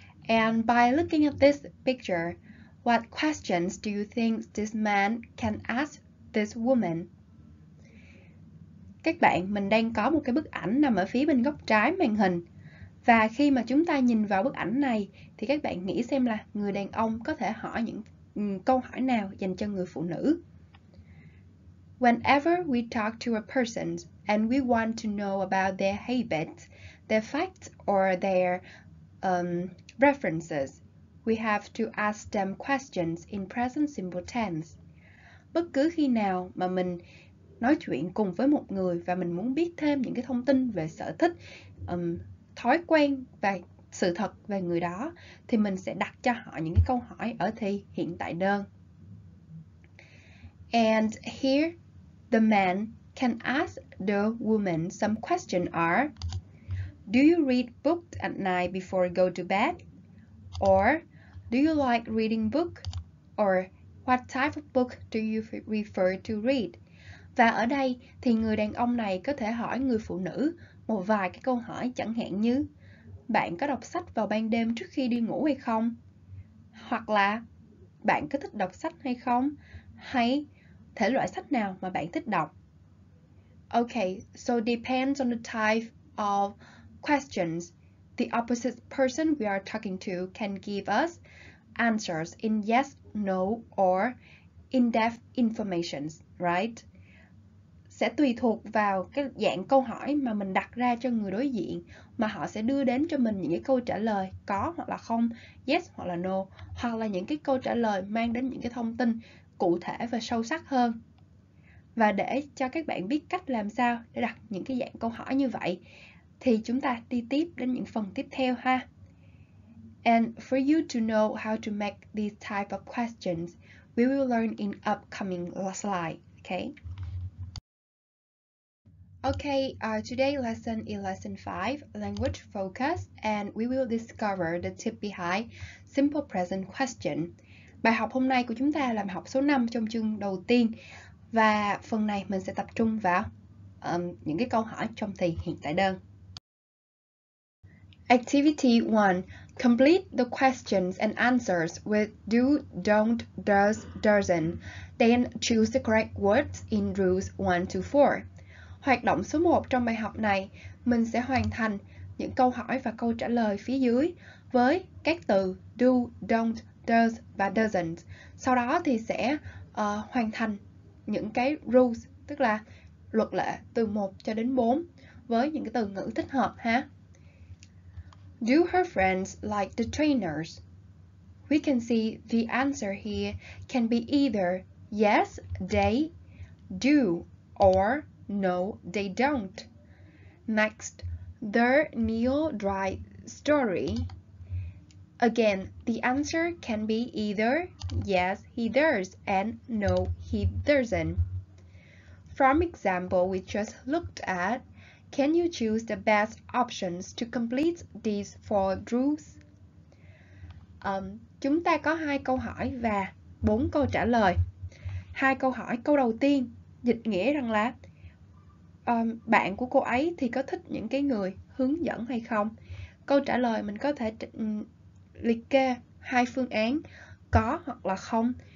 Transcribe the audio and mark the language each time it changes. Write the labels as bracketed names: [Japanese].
[English] And by looking at this picture, what questions do you think this man can ask this woman? [Vietnamese] Các bạn, mình đang có một cái bức ảnh nằm ở phía bên góc trái màn hình. Và khi mà chúng ta nhìn vào bức ảnh này, thì các bạn nghĩ xem là người đàn ông có thể hỏi những câu hỏi nào dành cho người phụ nữ. [English] Whenever we talk to a person and we want to know about their habits, their facts or their references, we have to ask them questions in present simple tense. [Vietnamese] Bất cứ khi nào mà mình nói chuyện cùng với một người và mình muốn biết thêm những cái thông tin về sở thích, thói quen và sự thật về người đó, thì mình sẽ đặt cho họ những cái câu hỏi ở thì hiện tại đơn. [English] And here, the man can ask the woman some questions are, do you read books at night before you go to bed? Or, do you like reading book? Or, what type of book do you prefer to read? [Vietnamese] Và ở đây thì người đàn ông này có thể hỏi người phụ nữ một vài cái câu hỏi chẳng hạn như, bạn có đọc sách vào ban đêm trước khi đi ngủ hay không? Hoặc là, bạn có thích đọc sách hay không? Hay thể loại sách nào mà bạn thích đọc? [English] Okay, so depends on the type of questions the opposite person we are talking to can give us answers in yes, no or in-depth information, right? [Vietnamese] Sẽ tùy thuộc vào cái dạng câu hỏi mà mình đặt ra cho người đối diện mà họ sẽ đưa đến cho mình những cái câu trả lời có hoặc là không, yes hoặc là no, hoặc là những cái câu trả lời mang đến những cái thông tin cụ thể và sâu sắc hơn. Và để cho các bạn biết cách làm sao để đặt những cái dạng câu hỏi như vậy, thì chúng ta đi tiếp đến những phần tiếp theo ha. [English] And for you to know how to make these type of questions, we will learn in upcoming slide, okay? Okay, our today lesson is lesson 5, language focus, and we will discover the tip behind simple present question. [Vietnamese] Bài học hôm nay của chúng ta là bài học số 5 trong chương đầu tiên. Và phần này mình sẽ tập trung vào những cái câu hỏi trong thì hiện tại đơn. [English] Activity 1. Complete the questions and answers with do, don't, does, doesn't. Then choose the correct words in rules 1 to 4. Hoạt động số 1 trong bài học này, mình sẽ hoàn thành những câu hỏi và câu trả lời phía dưới với các từ do, don't, does và doesn't. Sau đó thì sẽ hoàn thành những cái rules, tức là luật lệ từ 1 cho đến 4 với những cái từ ngữ thích hợp ha. Do her friends like the trainers? We can see the answer here can be either yes, they do or no, they don't. Next, their Neil Dry story. Again, the answer can be either yes, he does and no, he doesn't. From example we just looked at, Can you choose the best options to complete these four rules? [Vietnamese] Chúng ta có hai câu hỏi và bốn câu trả lời. Hai câu hỏi, câu đầu tiên dịch nghĩa rằng là bạn của cô ấy thì có thích những cái người hướng dẫn hay không? Câu trả lời mình có thể liệt kê hai phương án, có hoặc là không.